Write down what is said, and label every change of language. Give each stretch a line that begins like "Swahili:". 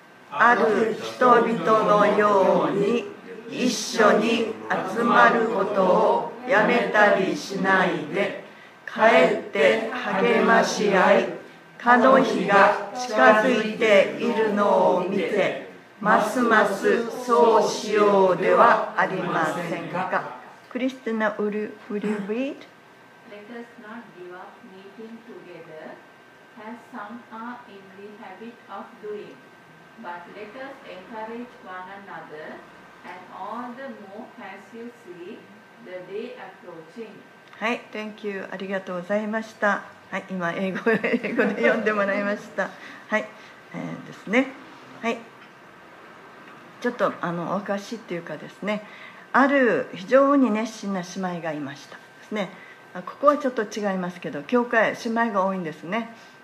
Japanese: ある人々のように一緒に集まることをやめたりしないで、かえって励まし合い、蚊の日が近づいているのを見て、ますますそうしようではありませんか。
English: クリスティナ、would you read? Let us not give up meeting together, as some are in the habit of doing, but let us encourage one another, and all the more as you see the day approaching. はい、Thank you.
Japanese: ありがとうございました。はい、今英語で読んでもらいました。はい、ですね。はい、ちょっとおかしいっていうかですね、ある非常に熱心な姉妹がいましたですね。ここはちょっと違いますけど、教会姉妹が多いんですね。